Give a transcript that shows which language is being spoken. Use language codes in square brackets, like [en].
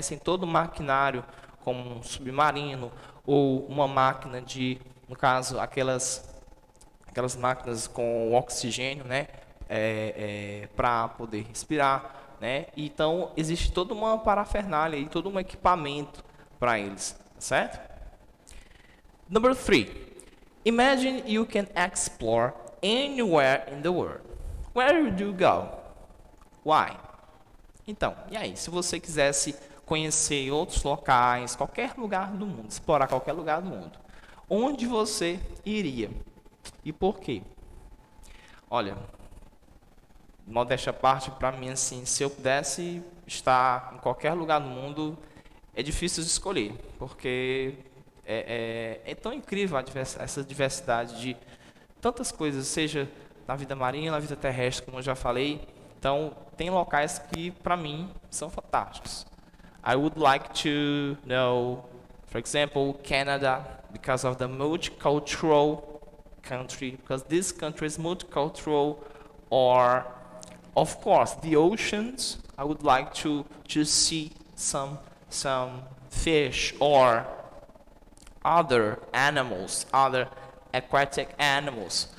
[pt] Sem todo o maquinário, como um submarino ou uma máquina de, no caso, aquelas máquinas com oxigênio, né? Para poder respirar. Né? Então, existe toda uma parafernália e todo um equipamento para eles, certo? [en] Number 3. Imagine you can explore anywhere in the world. Where would you go? Why? [pt] Então, e aí? Se você quisesse conhecer outros locais, qualquer lugar do mundo, explorar qualquer lugar do mundo, onde você iria? E por quê? Olha, modéstia à parte, para mim, assim, se eu pudesse estar em qualquer lugar do mundo, é difícil de escolher, porque é tão incrível essa diversidade de tantas coisas, seja na vida marinha, na vida terrestre, como eu já falei. Então, tem locais que, para mim, são fantásticos. [en] I would like to know, for example, Canada, because of the multicultural country, because this country is multicultural, or of course, the oceans. I would like to see some fish or other animals, other aquatic animals.